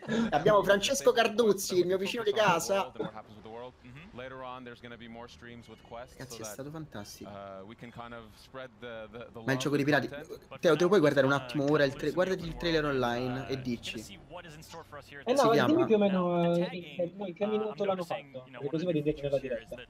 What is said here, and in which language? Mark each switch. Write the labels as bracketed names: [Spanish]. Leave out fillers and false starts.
[Italian] Abbiamo Francesco Carduzzi, il mio vicino di casa. [English] Later on there's going to be more streams with quests. [Italian] Ragazzi, è stato fantastico. Ma il gioco dei pirati, te lo puoi guardare un attimo ora il trailer, guardati il trailer online e dici. Dimmi più o meno che minuto l'hanno fatto, così vedi dire nella diretta.